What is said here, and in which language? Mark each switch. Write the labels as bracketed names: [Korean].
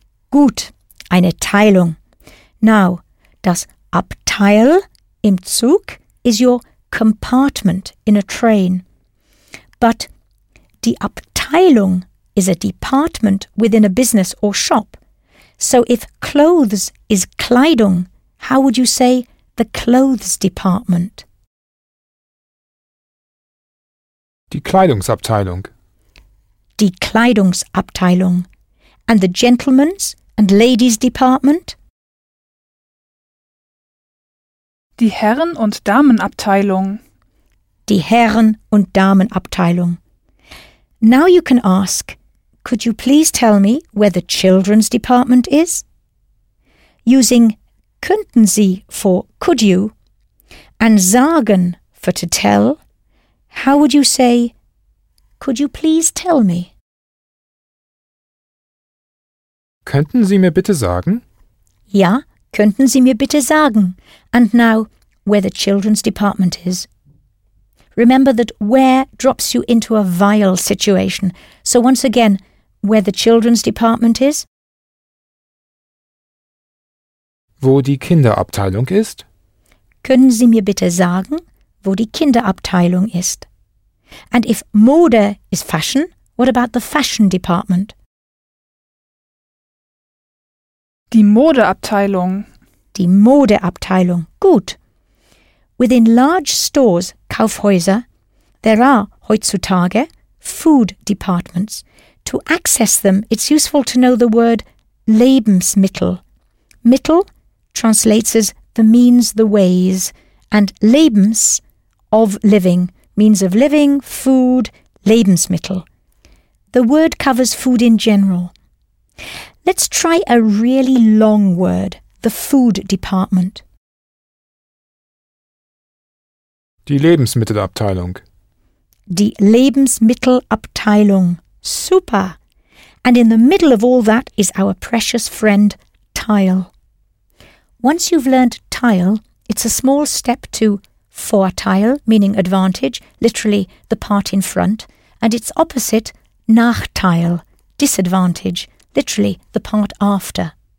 [German] Gut, eine Teilung. [English] Now, [German] das Abteil im Zug [English] is your compartment in a train. But [German] die Abteilung [English] is a department within a business or shop. So, if clothes is Kleidung, how would you say the clothes department? [German] Die Kleidungsabteilung. Die Kleidungsabteilung. [English] And the gentlemen's and ladies' department? [German] Die Herren- und Damenabteilung. Die Herren- und Damenabteilung. [English] Now you can ask, could you please tell me where the children's department is? Using [German] könnten Sie [English] for could you and sagen for to tell, how would you say, could you please tell me? [German] Könnten Sie mir bitte sagen? Ja, könnten Sie mir bitte sagen. [English] And now, where the children's department is. Remember that where drops you into a vile situation. So once again, where the children's department is. [German] Wo die Kinderabteilung ist. Können Sie mir bitte sagen, wo die Kinderabteilung ist? [English] And if Mode is fashion, what about the fashion department? [German] Die Modeabteilung. Die Modeabteilung. Gut. [English] Within large stores, Kaufhäuser, there are, heutzutage, food departments. To access them, it's useful to know the word Lebensmittel. Mittel translates as the means, the ways, and Lebens, of living, means of living, food, Lebensmittel. The word covers food in general. Let's try a really long word, the food department. [German] Die Lebensmittelabteilung. Die Lebensmittelabteilung. Super. [English] And in the middle of all that is our precious friend, tile. Once you've learned tile, it's a small step to Vorteil, meaning advantage, literally the part in front, and its opposite, Nachteil, disadvantage, literally the part after.